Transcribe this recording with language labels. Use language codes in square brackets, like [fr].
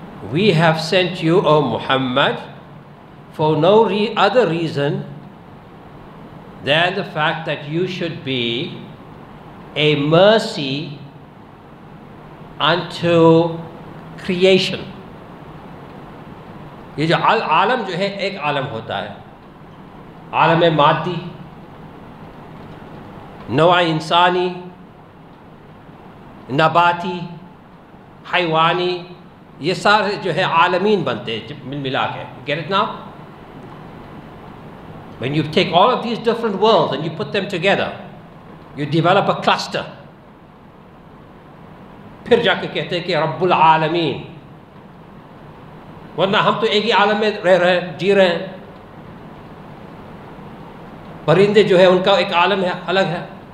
[en] we have sent you, O Muhammad, for no other reason than the fact that you should be a mercy unto creation. [ur] یہ جو عالم جو ہے ایک عالم ہوتا ہے, عالم مادی, نوع انسانی, نباتی, حیوانی, یہ سارے جو ہے عالمین بنتے ہیں مل ملا کے. [en] Get it now? When you take all of these different worlds and you put them together, you develop a cluster. [ur] پھر جا کے کہتے ہیں کہ رب العالمین, ورنہ ہم تو ایک ہی عالم میں رہ رہے ہیں, جی رہے ہیں. پرندے جو ہے ان کا ایک عالم ہے, الگ ہے.